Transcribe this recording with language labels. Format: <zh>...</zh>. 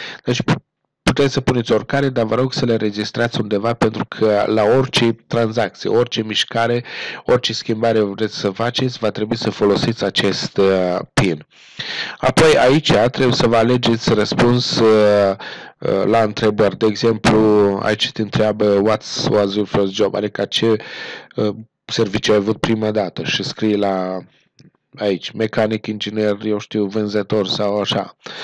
<ro>Deci, puteți să puneți oricare, dar vă rog să le registrați undeva pentru că la orice tranzacție, orice mișcare, orice schimbare vreți să faceți, va trebui să folosiți acest PIN. Apoi aici trebuie să vă alegeți răspuns la întrebări. De exemplu, aici te întreabă</ro> <en>What was your first job?</en> <ro>Adică ce serviciu ai avut prima dată și scrii la aici, mecanic, inginer, eu știu, vânzător sau așa.</ro>